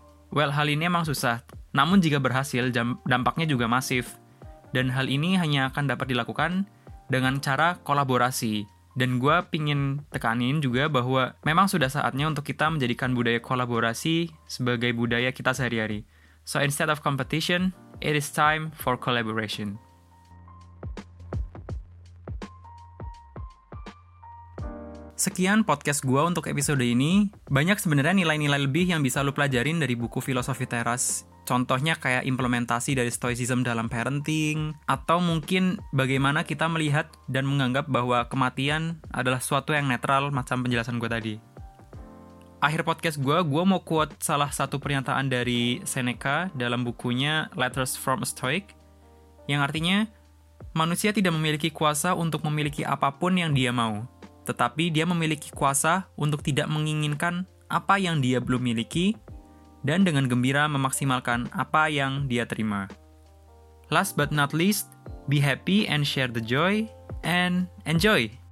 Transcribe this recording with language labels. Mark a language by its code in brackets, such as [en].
[id] Well, hal ini emang susah. Namun jika berhasil, dampaknya juga masif. Dan hal ini hanya akan dapat dilakukan dengan cara kolaborasi. Dan gue pingin tekanin juga bahwa memang sudah saatnya untuk kita menjadikan budaya kolaborasi sebagai budaya kita sehari-hari. [en] So instead of competition, it is time for collaboration. [id] Sekian podcast gue untuk episode ini. Banyak sebenarnya nilai-nilai lebih yang bisa lo pelajarin dari buku Filosofi Teras. Contohnya kayak implementasi dari stoicism dalam parenting, atau mungkin bagaimana kita melihat dan menganggap bahwa kematian adalah suatu yang netral, macam penjelasan gue tadi. Akhir podcast gue mau quote salah satu pernyataan dari Seneca dalam bukunya Letters from a Stoic, yang artinya, manusia tidak memiliki kuasa untuk memiliki apapun yang dia mau, tetapi dia memiliki kuasa untuk tidak menginginkan apa yang dia belum miliki, dan dengan gembira memaksimalkan apa yang dia terima. [en] Last but not least, be happy and share the joy, and enjoy!